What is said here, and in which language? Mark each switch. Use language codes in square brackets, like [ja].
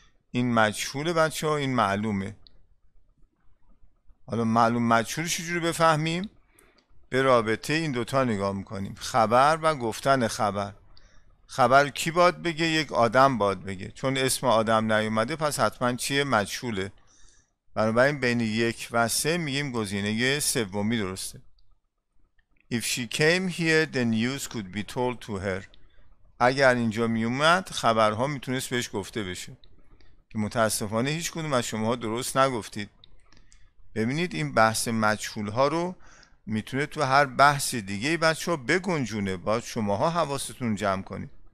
[fa] این مجهوله بچه ها، این معلومه. حالا معلوم مجهولش چجوری بفهمیم؟ به رابطه این دوتا نگاه میکنیم، خبر و گفتن خبر. خبر کی باید بگه؟ یک آدم باید بگه، چون اسم آدم نیومده پس حتما چیه؟ مجهوله. بنابراین بین یک و سه میگیم گزینه یه سومی درسته. [en] If she came here the news could be told to her. [fa] اگر اینجا میومد خبرها میتونست بهش گفته بشه، که متاسفانه هیچ کدوم از شما درست نگفتید. ببینید این بحث مجهول ها رو میتونه تو هر بحث دیگه ای بچه ها بگنجونه، باید شماها حواستون جمع کنید.